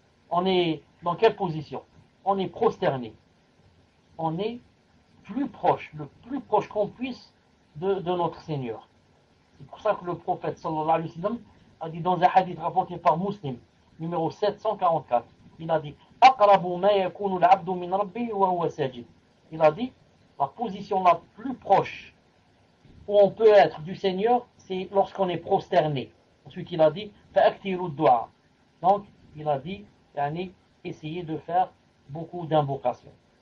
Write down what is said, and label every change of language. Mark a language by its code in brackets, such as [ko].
[fr] On est dans quelle position? On est prosterné. On est plus proche, le plus proche qu'on puisse de notre Seigneur. C'est pour ça que le prophète, sallallahu alayhi wa sallam, a dit dans un hadith rapporté par Muslim, numéro 744, il a dit, [ar] أقرب ما يكون العبد من ربه وهو ساجد. [fr] Il a dit, la position la plus proche où on peut être du Seigneur, c'est lorsqu'on est prosterné. Ensuite, il a dit, [ar] فَأَكْتِرُوا الدُّعَى. [fr] Donc, il a dit, يعني, essayez de faire beaucoup d'invocations.